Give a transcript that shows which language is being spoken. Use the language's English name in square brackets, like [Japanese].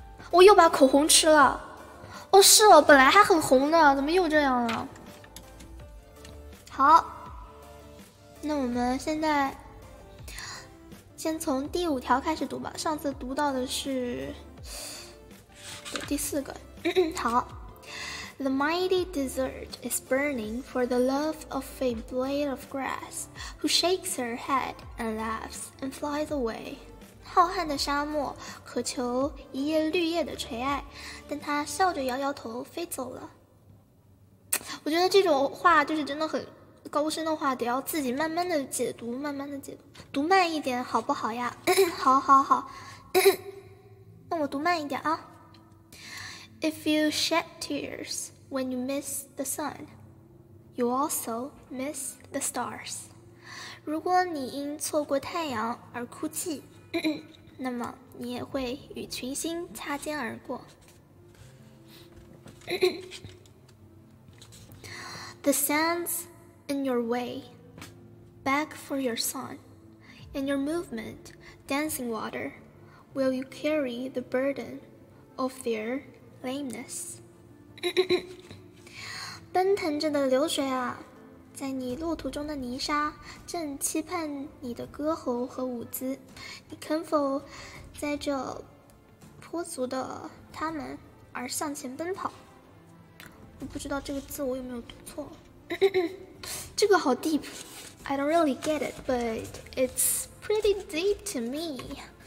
[Chinese] 我又把口红吃了。哦，是哦，本来还很红的，怎么又这样了？好，那我们现在先从第五条开始读吧。上次读到的是第四个。 [English] 好 ，The mighty desert is burning for the love of a blade of grass, who shakes her head and laughs and flies away。 [Chinese] 浩瀚的沙漠渴求一叶绿叶的垂爱，但他笑着摇摇头飞走了。我觉得这种话就是真的很高深的话，得要自己慢慢的解读，慢慢的解读，读慢一点好不好呀？好好好，那我读慢一点啊。 [English] If you shed tears when you miss the sun, you also miss the stars. [Chinese] 如果你因错过太阳而哭泣，那么你也会与群星擦肩而过。 [English] The sands in your way beg for your song, in your movement, dancing water, will you carry the burden of their lameness? [Chinese] 奔腾着的流水啊，在你路途中的泥沙正期盼你的歌喉和舞姿，你肯否在这脱足的他们而向前奔跑。我不知道这个字我有没有读错。这个好 [English] deep， I don't really get it， but it's pretty deep to me。